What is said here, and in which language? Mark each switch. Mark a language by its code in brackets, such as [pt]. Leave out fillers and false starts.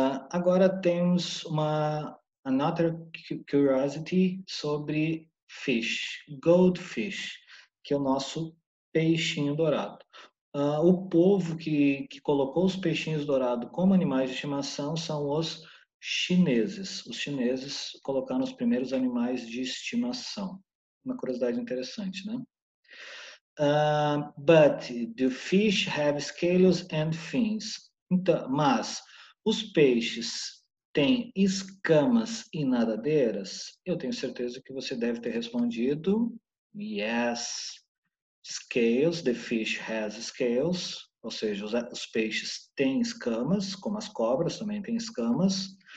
[pt] Agora temos [en] another curiosity [pt] sobre fish, goldfish, que é o nosso peixinho dourado. O povo que colocou os peixinhos dourados como animais de estimação são os chineses. Os chineses colocaram os primeiros animais de estimação. Uma curiosidade interessante, né? [en] But do fish have scales and fins? [pt] Então, mas os peixes têm escamas e nadadeiras? Eu tenho certeza que você deve ter respondido yes. [en] Scales, the fish has scales, [pt] ou seja, os peixes têm escamas, como as cobras também têm escamas.